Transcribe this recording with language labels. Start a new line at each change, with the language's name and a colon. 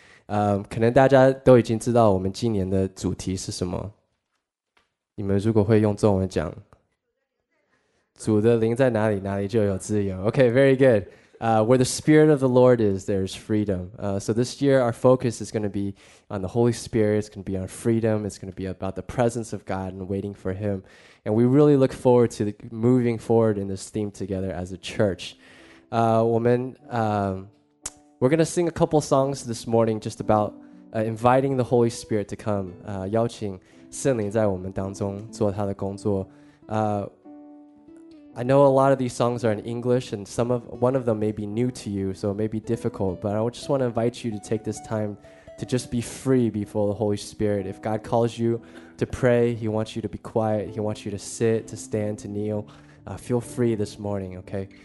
Chinese: 可能大家都已经知道我们今年的主题是什么。你们如果会用中文讲, 主的灵在哪里, 哪里就有自由。
English: Okay, very good. Where the Spirit of the Lord is, there's freedom. So this year, our focus is going to be on the Holy Spirit. It's going to be on freedom. It's going to be about the presence of God and waiting for Him. And we really look forward to moving forward in this theme together as a church. We're going to sing a couple songs this morning just about inviting the Holy Spirit to come.
Chinese: 邀请圣灵在我们当中做他的工作。
English: I know a lot of these songs are in English, and one of them may be new to you, so it may be difficult, but I just want to invite you to take this time to just be free before the Holy Spirit. If God calls you to pray, He wants you to be quiet, He wants you to sit, to stand, to kneel, feel free this morning, okay?